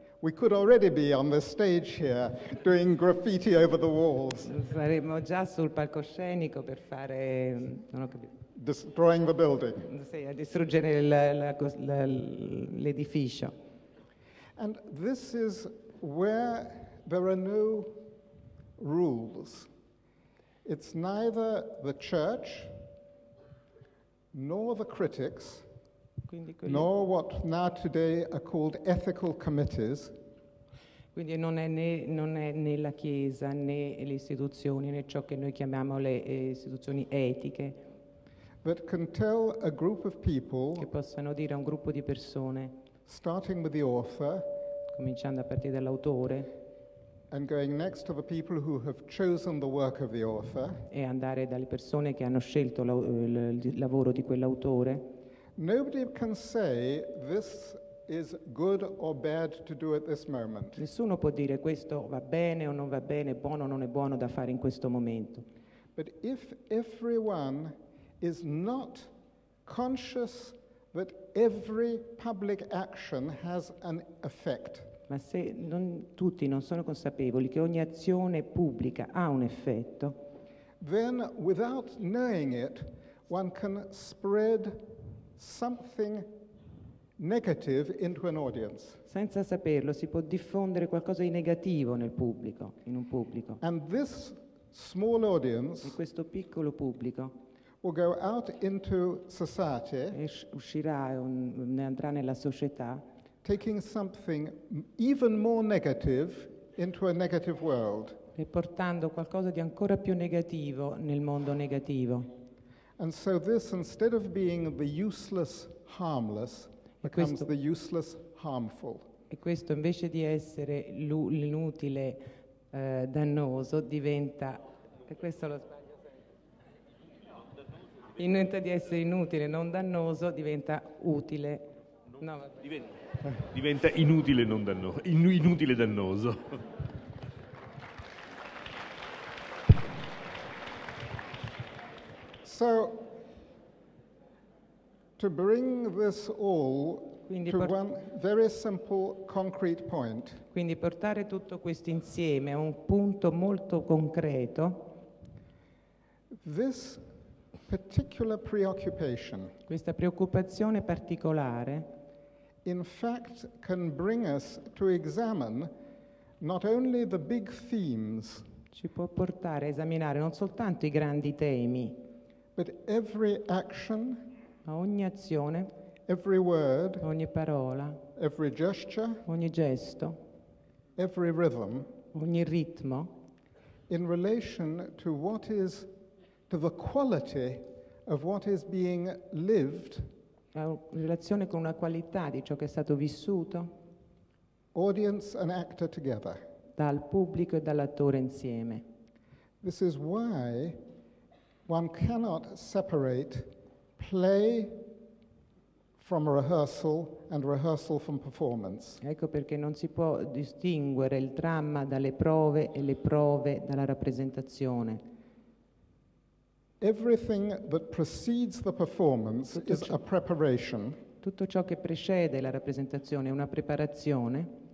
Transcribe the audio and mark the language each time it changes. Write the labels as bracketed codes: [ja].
[en] We could already be on the stage here doing graffiti over the walls. [it] Saremmo già sul palcoscenico per fare, non ho capito. [en] Destroying the building. [it] Sì, a distruggere l'edificio. [en] And this is where there are no rules. It's neither the church nor the critics, nor what now today are called ethical committees. [it] Quindi non è né la Chiesa né le istituzioni né ciò che noi chiamiamo le istituzioni etiche. [en] That can tell a group of people, [it] che possano dire a un gruppo di persone, [en] starting with the author, [it] cominciando a partire dall'autore, [en] and going next to the people who have chosen the work of the author, [it] e andare dalle persone che hanno scelto il lavoro di quell'autore. [en] Nobody can say this is good or bad to do at this moment. [it] Nessuno può dire questo va bene o non va bene, buono o non è buono da fare in questo momento. [en] But if everyone is not conscious that every public action has an effect. [it] Ma se non tutti non sono consapevoli che ogni azione pubblica ha un effetto, [en] then without knowing it, one can spread something negative into an audience. [it] Senza saperlo si può diffondere qualcosa di negativo nel pubblico, in un pubblico. [en] And this small audience, [it] e questo piccolo pubblico, [en] will go out into society, [it] uscirà, andrà nella società, [en] taking something even more negative into a negative world. [it] E portando qualcosa di ancora più negativo nel mondo negativo. [en] And so this, instead of being the useless harmless, becomes the useless harmful. [it] E questo invece di essere l'inutile dannoso diventa, e questo lo sbaglio sempre. Inutile di essere inutile, non dannoso, diventa utile. No, diventa inutile non dannoso, inutile dannoso. [en] So to bring this all to one very simple concrete point. [it] Quindi portare tutto questo insieme a un punto molto concreto. [en] This particular preoccupation. [it] Questa preoccupazione particolare. [en] In fact, can bring us to examine not only the big themes. [it] Ci può portare a esaminare non soltanto i grandi temi. [en] But every action. [it] A ogni azione. [en] Every word, [it] ogni parola, [en] every gesture, [it] ogni gesto, [en] every rhythm, [it] ogni ritmo, [en] in relation to what is, to the quality of what is being lived, [it] in relazione con una qualità di ciò che è stato vissuto, [en] audience and actor together, [it] dal pubblico e dall'attore insieme. [en] This is why one cannot separate play from rehearsal and rehearsal from performance. [it] Ecco perché non si può distinguere il dramma dalle prove e le prove dalla rappresentazione. [en] Everything that precedes the performance is a preparation. [it] Tutto ciò che precede la rappresentazione è una preparazione